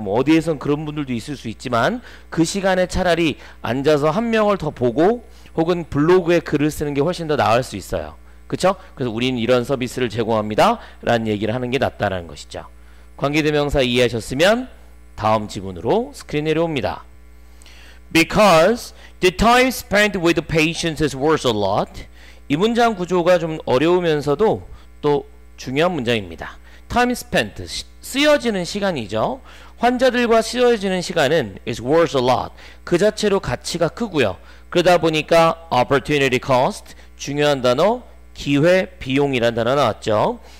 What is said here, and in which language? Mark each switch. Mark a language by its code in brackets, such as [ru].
[ko] 뭐 어디에선 그런 분들도 있을 수 있지만 그 시간에 차라리 앉아서 한 명을 더 보고 혹은 블로그에 글을 쓰는 게 훨씬 더 나을 수 있어요. 그렇죠? 그래서 우리는 이런 서비스를 제공합니다 라는 얘기를 하는 게 낫다라는 것이죠. 관계대명사 이해하셨으면 다음 지문으로 스크린 내려옵니다. [en] Because the time spent with patients is worth a lot. [ko] 이 문장 구조가 좀 어려우면서도 또 중요한 문장입니다. Time spent, 쓰여지는 시간이죠. 환자들과 쓰여지는 시간은 [en] is worth a lot. [ko] 그 자체로 가치가 크고요. 그러다 보니까 opportunity cost, 중요한 단어, 기회, 비용이란 단어 나왔죠.